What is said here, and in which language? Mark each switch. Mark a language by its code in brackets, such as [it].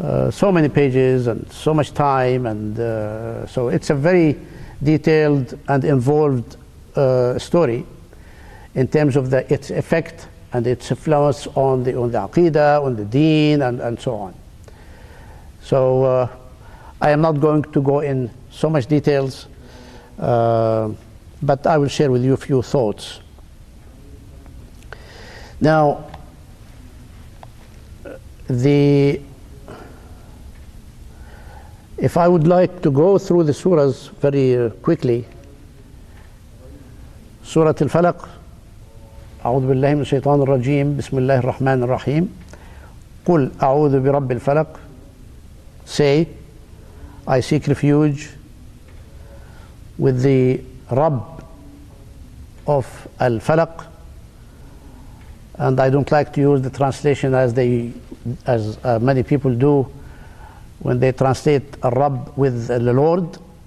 [en] so many pages and so much time, and so it's a very detailed and involved story in terms of its effect and its influence on the aqidah, on the deen, and so on. So I am not going to go in so much details, but I will share with you a few thoughts. Now, if I would like to go through the surahs very quickly, Surah Al-Falaq, [ar] أعوذ بالله من الشيطان الرجيم بسم الله الرحمن الرحيم قل أعوذ برب الفلق. [en] Say, I seek refuge with the Rabb of Al-Falaq. And I don't like to use the translation as many people do when they translate Rabb with the Lord.